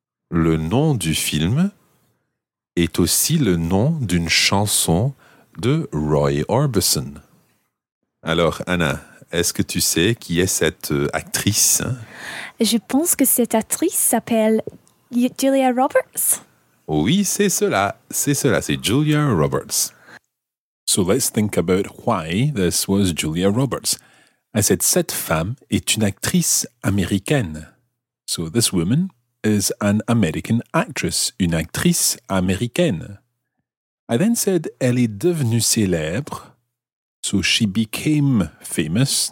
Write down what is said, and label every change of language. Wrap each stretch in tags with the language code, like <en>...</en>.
<fr>Le nom du film est aussi le nom d'une chanson de Roy Orbison. Alors, Anna, est-ce que tu sais qui est cette actrice? Je pense que cette actrice s'appelle Julia Roberts. Oui, c'est cela. C'est cela. C'est Julia Roberts.</fr> <en>So let's think about why this was Julia Roberts. I said,</en> <fr>cette femme est une actrice américaine.</fr> <en>So this woman is an American actress,</en> <fr>une actrice américaine.</fr> <en>I then said,</en> <fr>elle est devenue célèbre.</fr> <en>So she became famous.</en>